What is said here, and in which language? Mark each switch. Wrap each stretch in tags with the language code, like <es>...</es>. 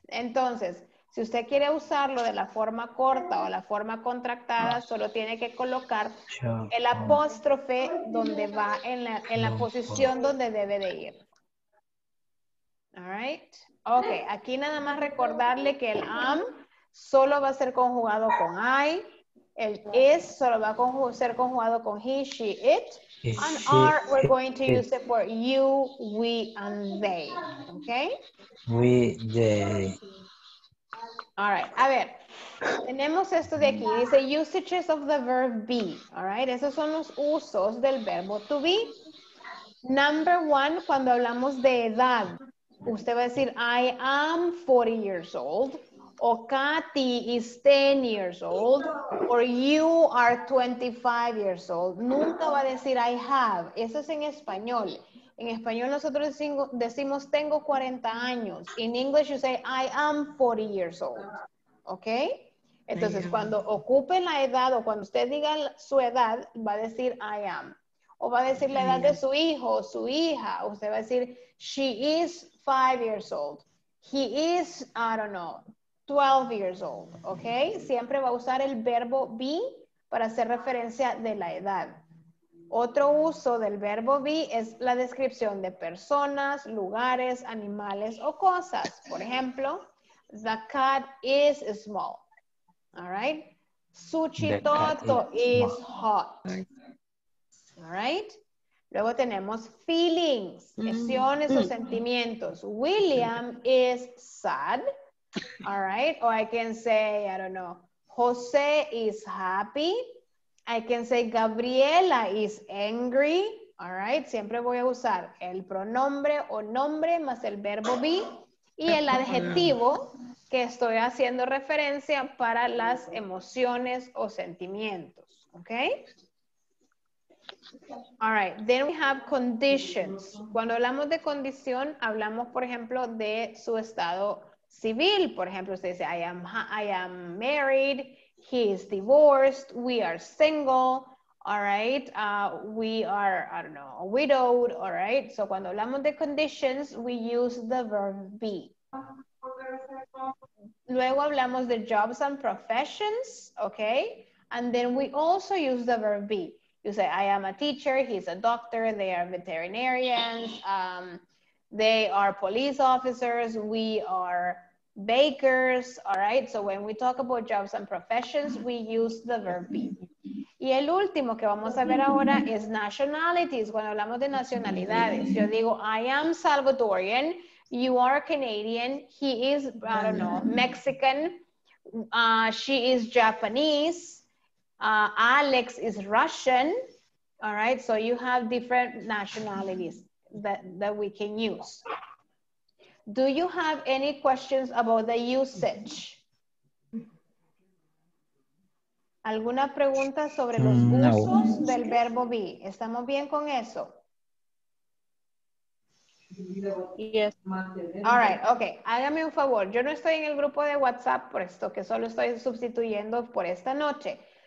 <es>Entonces, si usted quiere usarlo de la forma corta o la forma contractada, solo tiene que colocar el apóstrofe donde va en la posición donde debe de ir.</es> <en>All right.</en> <es>Okay, aquí nada más recordarle que el am solo va a ser conjugado con I. El is solo va a ser conjugado con he, she, it.</es> <en>On are, we're going to use it for you, we, and they. Okay? We, they.</en> <es>All right. A ver. Tenemos esto de aquí. Dice</es> <en>usages of the verb be. All right.</en> <es>Esos son los usos del verbo to be.</es> <en>Number one,</en> <es>cuando hablamos de edad, usted va a decir,</es> <en>I am 40 years old.</en> <es>O</es> <en>Katy is 10 years old, or you are 25 years old.</en> <es>Nunca va a decir I have. Eso es en español. En español nosotros decimos tengo 40 años.</es> <en>In English you say I am 40 years old. ¿Ok?</en> <es>Entonces cuando ocupe la edad o cuando usted diga su edad, va a decir I am. O va a decir la edad de su hijo o su hija. Usted va a decir</es> <en>she is 5 years old. He is, I don't know, 12 years old, ¿ok?</en> <es>Siempre va a usar el verbo be para hacer referencia de la edad. Otro uso del verbo be es la descripción de personas, lugares, animales o cosas. Por ejemplo,</es> <en>the cat is small, ¿all right? Su chitoto is hot, ¿all right?</en> <es>Luego tenemos feelings, emociones o sentimientos.</es> <en>William is sad. All right, or I can say, I don't know, Jose is happy. I can say Gabriela is angry. All right,</en> <es>siempre voy a usar el pronombre o nombre más el verbo be y el adjetivo que estoy haciendo referencia para las emociones o sentimientos.</es> <en>Okay. All right, then we have conditions.</en> <es>Cuando hablamos de condición, hablamos, por ejemplo, de su estado civil. Por ejemplo, usted dice,</es> <en>I am married, he is divorced, we are single, all right, we are, I don't know, widowed, all right. So</en> <es>cuando hablamos de</es> <en>conditions, we use the verb be.</en> <es>Luego hablamos de</es> <en>jobs and professions, okay? And then we also use the verb be. You say, I am a teacher, he's a doctor, they are veterinarians, they are police officers, we are bakers, all right? So when we talk about jobs and professions, we use the verb be.</en> <es>Y el último que vamos a ver ahora es nationalities, cuando hablamos de nacionalidades. Yo digo,</es> <en>I am Salvadorian, you are Canadian, he is, I don't know, Mexican, she is Japanese, Alex is Russian, all right? So you have different nationalities that we can use. Do you have any questions about the usage?</en> <es>¿Alguna pregunta sobre los usos del verbo be? ¿Estamos bien con eso?</es> <en>Yes. All right, okay.</en> <es>Hágame un favor. Yo no estoy en el grupo de WhatsApp por esto, que solo estoy sustituyendo por esta noche.</es>